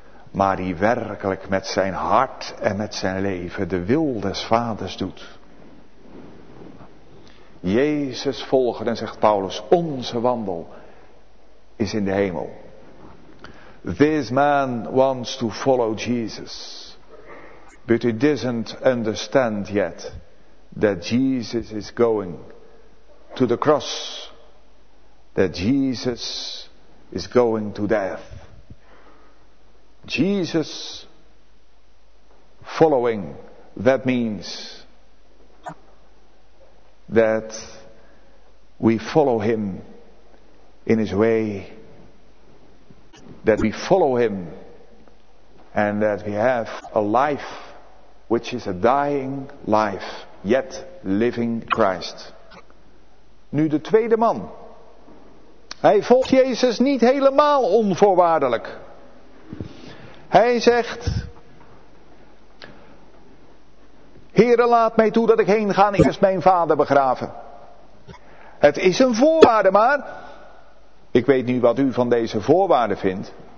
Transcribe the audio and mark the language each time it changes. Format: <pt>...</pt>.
<nl>Maar die werkelijk met zijn hart en met zijn leven de wil des Vaders doet. Jezus volgen, en zegt Paulus, onze wandel is in de hemel.</nl> <en>This man wants to follow Jesus. But he doesn't understand yet that Jesus is going to the cross. that Jesus is going to death. Jesus following, that means that we follow him in his way, that we follow him, and that we have a life which is a dying life, yet living Christ.</en> <nl>Nu de tweede man. Hij volgt Jezus niet helemaal onvoorwaardelijk. Hij zegt: Heere, laat mij toe dat ik heen ga en eerst mijn vader begraven. Het is een voorwaarde, maar ik weet niet wat u van deze voorwaarde vindt.</nl>